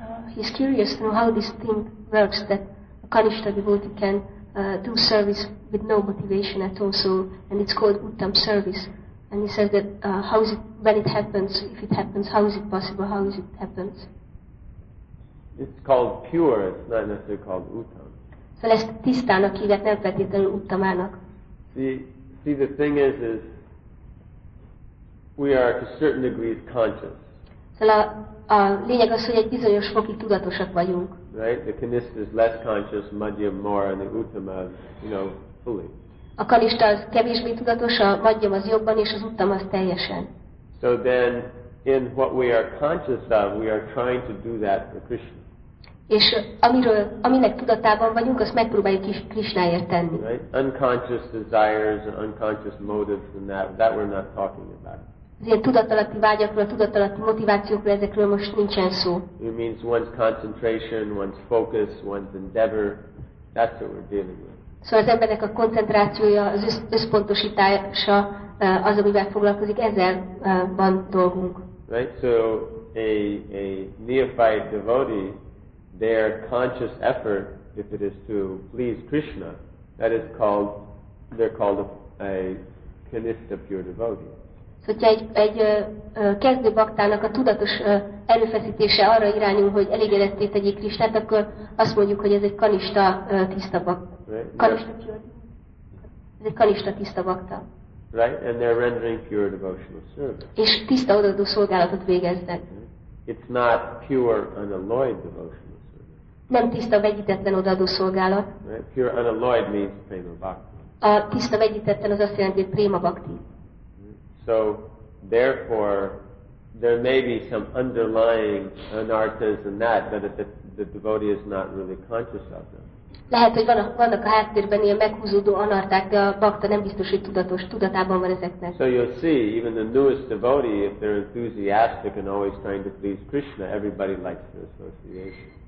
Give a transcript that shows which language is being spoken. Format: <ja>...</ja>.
<en>He's curious to know how this thing works, that a Kanishtha devotee can do service with no motivation at all, so, and it's called Uttam service. And he says that how is it, when it happens, if it happens, how is it possible, how is it happens? It's called pure, it's not necessarily called Uttam.</en> <hu>So ezt tisztának hívják, nem feltétlenül Uttamának.</hu> <en>See, the thing is we are to certain degrees conscious.</en> <hu>A lényeg az, hogy egy bizonyos fokig tudatosak vagyunk.</hu> <en>Right? The Kanishtha is less conscious, Madhya more, and the Uttama, you know, fully.</en> <hu>A Kanishtha az kevésbé tudatos, a Madhya az jobban, és az Uttama az teljesen.</hu> <en>So then, in what we are conscious of, we are trying to do that for Krishna.</en> <hu>És aminek tudatában vagyunk, azt megpróbáljuk is Krishnáért tenni.</hu> <en>Right? Unconscious desires and unconscious motives and that we're not talking about.</en> <hu>Az ilyen tudatalatti vágyakról, tudatalatti motivációkról, ezekről most nincsen szó.</hu> <en>It means one's concentration, one's focus, one's endeavor. That's what we're dealing with.</en> <hu>Szóval az embernek a koncentrációja, az összpontosítása, az, amivel foglalkozik, ezzel van dolgunk.</hu> <en>Right? So a neophyte devotee, their conscious effort, if it is to please Krishna, that is called, they're called a Kanishtha pure devotee.</en> <hu>Hogyha egy kezdő baktának a tudatos erőfeszítése arra irányul, hogy elégedetté tegyék Krisztát, akkor azt mondjuk, hogy ez egy kanista tiszta bakta.</hu> <en>Right.</en> <hu>Ez egy kanista tiszta bakta.</hu> <en>Right, and they're rendering pure devotional service.</en> <hu>És tiszta odaadó szolgálatot végeznek.</hu> <en>It's not pure unalloyed devotional service.</en> <hu>Nem tiszta vegyítetlen odaadó szolgálat.</hu> <en>Right. Pure unalloyed means prema bhakti.</en> <hu>A tiszta vegyítetlen az azt jelenti, hogy prema bhakti.</hu> <en>So, therefore, there may be some underlying anarthas in that, but the devotee is not really conscious of them.</en> <hu>Lehet, hogy vannak a háttérben ilyen meghúzódó anarták, de a bakta nem biztos, hogy tudatos, tudatában van ezeknek.</hu> <en>So you'll see, even the newest devotee, if they're enthusiastic and always trying to please Krishna, everybody likes their association.</en>